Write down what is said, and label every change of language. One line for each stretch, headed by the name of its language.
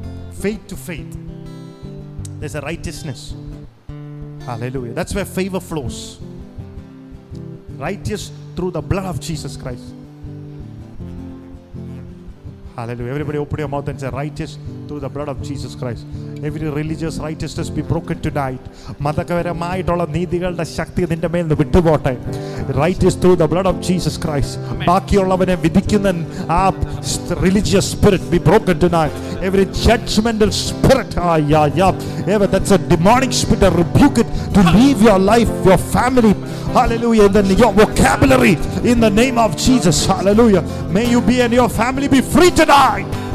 English: Faith to faith. There's a righteousness. Hallelujah. That's where favor flows. Righteous through the blood of Jesus Christ. Hallelujah. Everybody open your mouth and say, righteous through the blood of Jesus Christ. Every religious righteousness be broken tonight.
Malayalam: മതകരമായിട്ടുള്ള നീതികളുടെ ശക്തി നിന്റെ മേൽ നിന്ന് വിട്ടുപോട്ടെ.
English: Righteous through the blood of Jesus Christ.
Malayalam: ബാക്കിയുള്ളവനെ വിധിക്കുന്ന ആ
English: religious spirit be broken tonight. Every judgmental spirit, that's a demonic spirit, I rebuke it to leave your life, your family, hallelujah, and then your vocabulary in the name of Jesus, hallelujah. May you be and your family be free tonight.